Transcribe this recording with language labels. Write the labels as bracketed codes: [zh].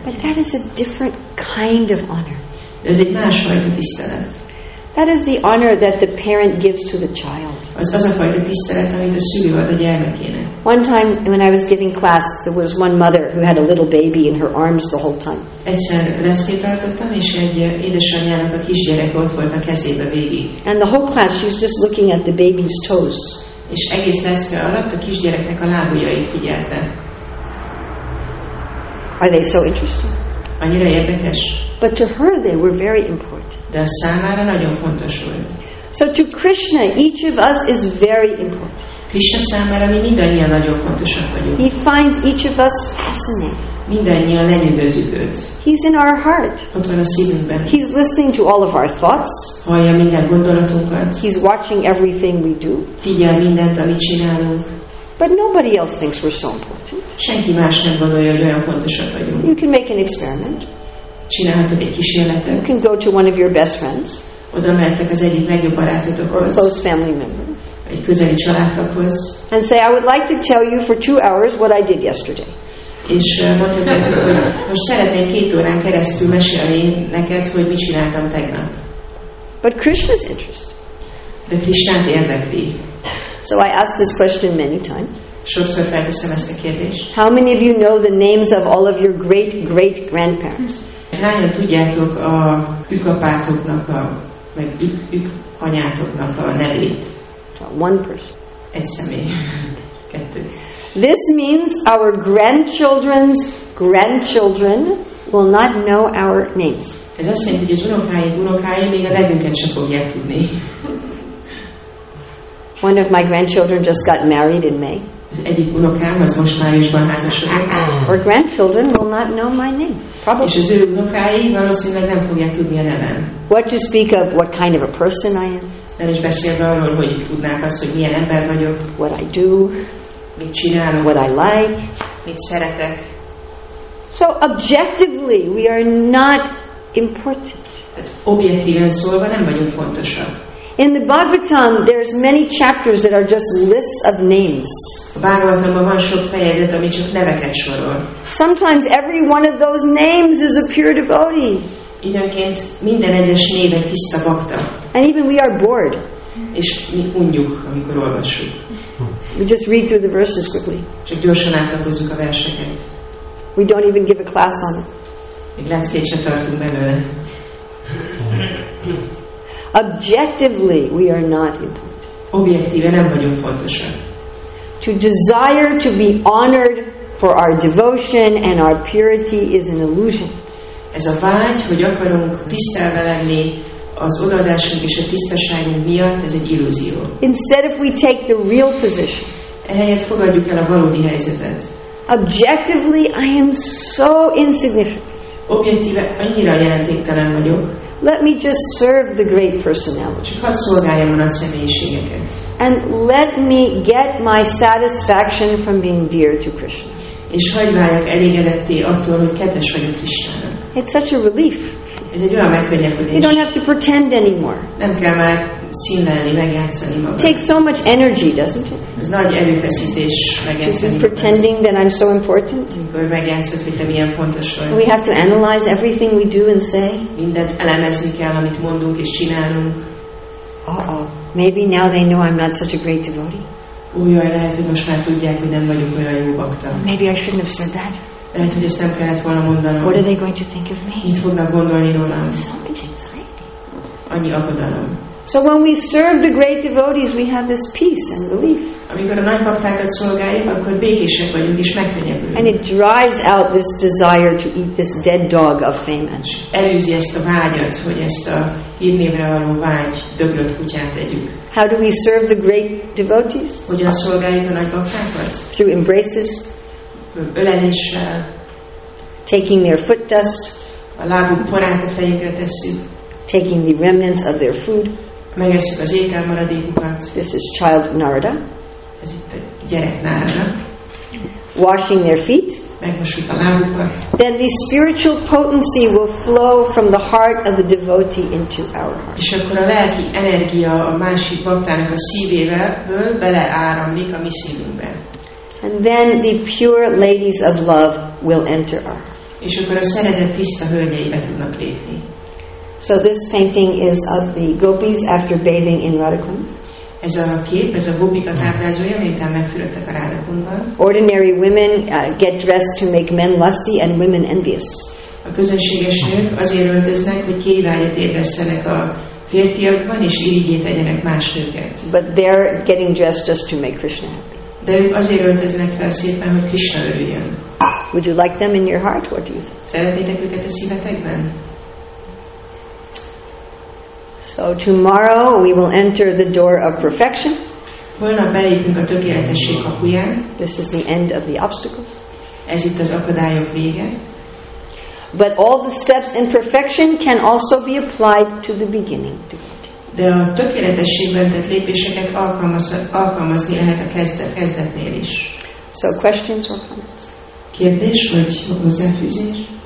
[en] But that is a different kind of honor. [hu] Ez egy másfajta tisztelet. [en] That is the honor that the parent gives to the child. [hu] az a fajta tisztelet, amit a szülő ad a gyermekének. [en] One time when I was giving class, there was one mother who had a little baby in her arms the whole time. [hu] Egyszer leckét tartottam, és egy édesanyjának a kisgyerek ott volt a kezébe végig. [en] And the whole class, she's just looking at the baby's toes. [hu] És egész lecke alatt a kisgyereknek a lábujjait figyelte. [en] Are they so interesting? [hu] Annyira érdekes. [en] But to her they were very important. [hu] De a számára nagyon fontos volt. [en] So to Krishna, each of us is very important. [hu] Krishna számára mi mindannyian nagyon fontosak vagyunk. [en] He finds each of us fascinating. [hu] Mindannyian lenyűgözünk őt. [en] He's in our heart. [hu] Ott van a szívünkben. [en] He's listening to all of our thoughts. [hu] Hallja minden gondolatunkat. [en] He's watching everything we do. [hu] Figyel mindent, amit csinálunk. [en] But nobody else thinks we're so important. [hu] Senki más nem gondolja, hogy olyan fontosak vagyunk. [en] You can make an experiment. [hu] Csinálhatok egy kísérletet. [en] You can go to one of your best friends. [hu] Oda mehetek az egyik legjobb barátotokhoz. [en] Close family member. [hu] Egy közeli családtaghoz. [en] And say, I would like to tell you for 2 hours what I did yesterday. [hu] És mondhatod, hogy most szeretnék 2 órán keresztül mesélni neked, hogy mit csináltam tegnap. [en] But Krishna's interest. [hu] De Krishnát érdekli. [en] So I asked this question many times. [hu] Sokszor felteszem ezt a kérdést. [en] How many of you know the names of all of your great great grandparents? [hu] Hányan tudjátok a ükapátoknak a meg ük anyátoknak a nevét? [en] So one person. [hu] Egy személy. Kettő. [en] This means our grandchildren's grandchildren will not know our names. [hu] Ez azt jelenti, hogy az unokáim még a nevünket sem fogják tudni. [en] One of my grandchildren just got married in May. [hu] Egyik unokám az most májusban házasodott. [en] Our grandchildren will not know my name. Probably. [hu] És az ő unokái valószínűleg nem fogják tudni a nevem. [en] What to speak of, what kind of a person I am. [hu] Nem is beszélve arról, hogy tudnák azt, hogy milyen ember vagyok. [en] What I do. [hu] Mit csinálom. [en] What I like. [hu] Mit szeretek. [en] So objectively, we are not important. [hu] Objektíven szólva nem vagyunk fontosak. [en] In the Bhagavatam, there's many chapters that are just lists of names. [hu] Bhagavatamban van sok fejezet, ami csak neveket sorol. [en] Sometimes every one of those names is a pure devotee. [hu] Időnként minden egyes név egy tiszta bhakta. [en] And even we are bored. [hu] És mi unjuk, amikor olvassuk. [en] We just read through the verses quickly. [hu] Csak gyorsan átlapozzuk a verseket. [en] We don't even give a class on it. [hu] Még leckét sem tartunk belőle. [en] Objectively, we are not important. [hu] Objektíven nem vagyunk fontosak. [en] To desire to be honored for our devotion and our purity is an illusion. [hu] Ez a vágy, hogy akarunk tisztelve lenni az odaadásunk és a tisztaságunk miatt, ez egy illúzió. [en] Instead, if we take the real position, [hu] ehelyett fogadjuk el a valódi helyzetet. [en] Objectively, I am so insignificant. [hu] Objektíve annyira jelentéktelen vagyok. [en] Let me just serve the great personality. [hu] Csak hadd szolgáljam a nagy személyiségeket. [en] And let me get my satisfaction from being dear to Krishna. [hu] És hogy váljak elégedetté attól, hogy kedves vagyok Krishnának. [en] It's such a relief. [hu] Ez egy olyan megkönnyebbülés. [en] You don't have to pretend anymore. [hu] Nem kell már színlelni, megjátszani magam. [en] It takes so much energy, doesn't it? [hu] Ez nagy erőfeszítés megjátszani. [en] To be pretending that I'm so important. [hu] Amikor megjátszod, hogy te milyen fontos vagy. [en] We have to analyze everything we do and say. [hu] Mindent elemezni kell, amit mondunk és csinálunk. [en] Uh-oh. Maybe now they know I'm not such a great devotee. [hu] Újjaj, lehet, hogy most már tudják, hogy nem vagyok olyan jó bhakta. [en] Maybe I shouldn't have said that. [hu] Lehet, hogy ezt nem kellett volna mondanom. [en] What are they going to think of me? [hu] Mit fognak gondolni rólam? [en] So much anxiety. [hu] Annyi aggodalom. [en] So when we serve the great devotees, we have this peace and relief. [hu] Amikor a nagy baktákat szolgáljuk, akkor békések vagyunk és megkönnyebbülünk. [en] And it drives out this desire to eat this dead dog of fame. [hu] És elűzi ezt a vágyat, hogy ezt a hírnévre való vágy döglött kutyát tegyük. [en] How do we serve the great devotees? [hu] Hogyan szolgáljuk a nagy baktákat? [en] Through embraces. [hu] Öleléssel. [en] Taking their foot dust. [hu] A lábuk porát a fejükre tesszük. [en] Taking the remnants of their food. [hu] Megesszük az étel maradékukat. [en] This is child Narada. [hu] Ez itt a gyerek Narada. [en] Washing their feet. [hu] Megmosuk a lábukat. [en] Then the spiritual potency will flow from the heart of the devotee into our heart. [hu] És akkor a lelki energia a másik baktának a szívéből beleáramlik a mi szívünkbe. [en] And then the pure ladies of love will enter our heart. [hu] És akkor a szeretet tiszta hölgyeibe tudnak lépni. [en] So this painting is of the gopis after bathing in Radha Kund. [hu] Ez a kép, ez a gopika ábrázolja, miután megfürödtek a Rádakundban. [en] Ordinary women get dressed to make men lusty and women envious. [hu] A közönséges nők azért öltöznek, hogy kívánságot ébresztenek a férfiakban, és irigyét tegyenek más nőket. [en] But they're getting dressed just to make Krishna happy. [hu] De ők azért öltöznek fel szépen, hogy Krishna örüljön. [en] Would you like them in your heart, what do you think? [hu] Szeretnétek őket a szívetekben? [en] So tomorrow we will enter the door of perfection. [hu] Holnap belépünk a tökéletesség kapuján. [en] This is the end of the obstacles. [hu] Ez itt az akadályok vége. [en] But all the steps in perfection can also be applied to the beginning. [hu] De a tökéletességben tett lépéseket alkalmazni lehet a kezdetnél is. [en] So questions or comments? [hu] Kérdés vagy hozzáfűzés?